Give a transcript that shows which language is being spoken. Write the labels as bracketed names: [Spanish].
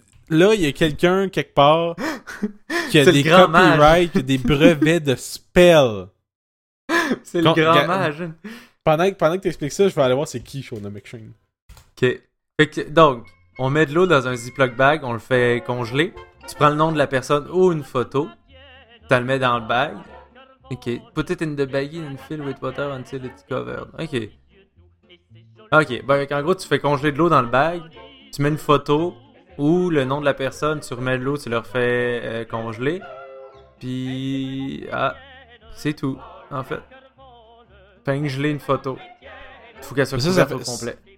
[French] Là, il y a quelqu'un quelque part qui a des copyrights, des brevets de spell. C'est le grand mage. Pendant que t'expliques ça, je vais aller voir c'est qui Shauna McShane. Ok. Fait que, donc, on met de l'eau dans un Ziploc bag, on le fait congeler. Tu prends le nom de la personne ou une photo. Tu le mets dans le bag. Ok. [English] Put it in the baggie and fill with water until it's covered. Ok. Ok. [French] Ben, en gros, tu fais congeler de l'eau dans le bag. Tu mets une photo ou le nom de la personne. Tu remets de l'eau, tu le refais congeler. Puis. Ah. C'est tout. En fait, peigne, je l'ai une photo. Il faut qu'elle soit couverte au complet.